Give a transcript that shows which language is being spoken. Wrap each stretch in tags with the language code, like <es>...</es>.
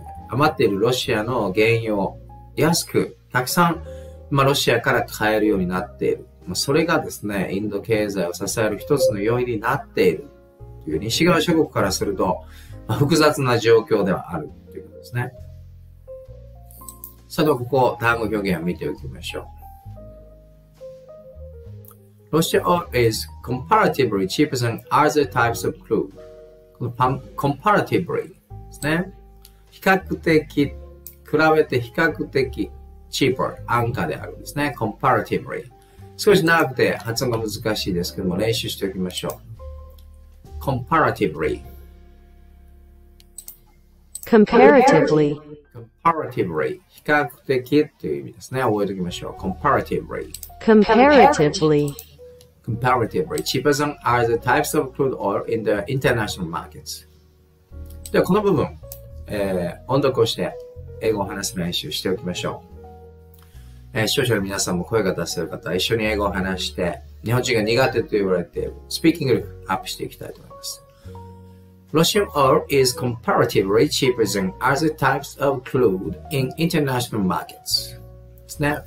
<ja>余っているロシアの原油を安くたくさん、まあ、ロシアから買えるようになっている、まあ、それがですね、インド経済を支える一つの要因になっているという西側諸国からすると、まあ、複雑な状況ではあるということですね。さて、ここ単語表現を見ておきましょう。</ja> <en>Russia is comparatively cheaper than other types of crude.</en> <ja>Comparatively ですね。比較的、比べて比較的 cheaper、安価であるんですね。Comparatively。少し長くて発音が難しいですけども、練習しておきましょう。</ja> <en>Comparatively。 Comparatively。 Comparatively。</en> <ja>比較的という意味ですね。覚えておきましょう。</ja> <en>Comparatively。 Comparatively。 Comparatively cheaper than other types of crude oil in the international markets.</en> <ja>ではこの部分、音読をして英語を話す練習しておきましょう。視聴者の皆さんも声が出せる方、一緒に英語を話して日本人が苦手と言われてスピーキング力アップしていきたいと思います。 Russian oil is comparatively cheaper than other types of crude in international markets. ですね。</ja>